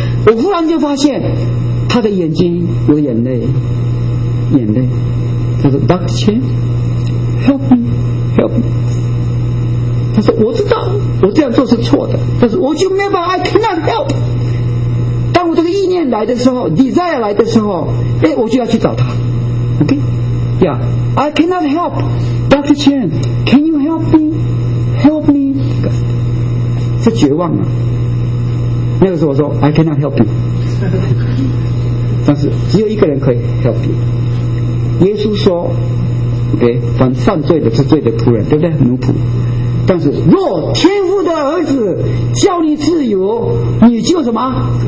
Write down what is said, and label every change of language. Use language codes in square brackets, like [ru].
[zh] 我忽然间发现他的眼睛有眼泪，眼泪。他说 Dr. Chen help me help me，他说我知道我这样做是错的，但是我就没办法， I cannot help。当我这个意念来的时候， desire 来的时候，哎，我就要去找他。 [en] OK yeah， I cannot help Dr. Chen， can you help meHelp me，是绝望啊！ [zh] 那个时候我说 I cannot help you，但是只有一个人可以 help you。耶稣说 ，OK， 凡犯罪的是罪的仆人，对不对？奴仆。但是若天父的儿子叫你自由，你就什么？